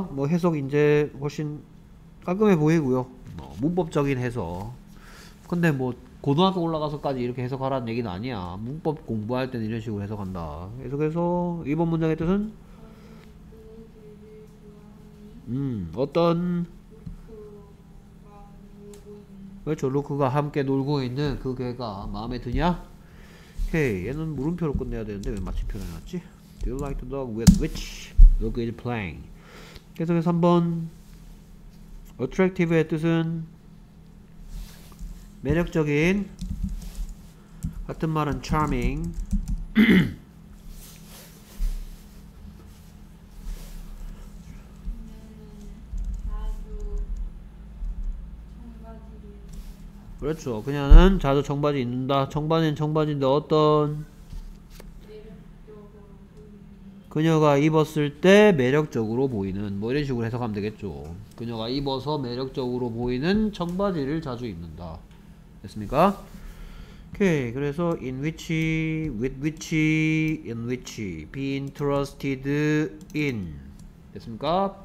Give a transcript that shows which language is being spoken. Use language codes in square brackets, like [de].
[ko] 뭐 해석 이제 훨씬 깔끔해 보이고요 뭐 문법적인 해석 근데 뭐 고등학교 올라가서까지 이렇게 해석하라는 얘기는 아니야 문법 공부할 때는 이런 식으로 해석한다 해석해서 이번 문장의 뜻은 어떤 그렇죠 루크가 함께 놀고 있는 그 개가 마음에 드냐? 오케이 얘는 물음표로 끝내야 되는데 왜 마침표로 해놨지? [en] Do you like the dog with which look is playing? [ko] 계속해서 3번 attractive의 뜻은 매력적인 같은 말은 charming 그렇죠. 그냥은 자주 청바지 입는다. 청바지는 청바지인데 어떤 그녀가 입었을 때 매력적으로 보이는 뭐 이런 식으로 해석하면 되겠죠. 그녀가 입어서 매력적으로 보이는 청바지를 자주 입는다. 됐습니까? 오케이. 그래서 [en] in which, with which, in which, be interested in [ko] 됐습니까?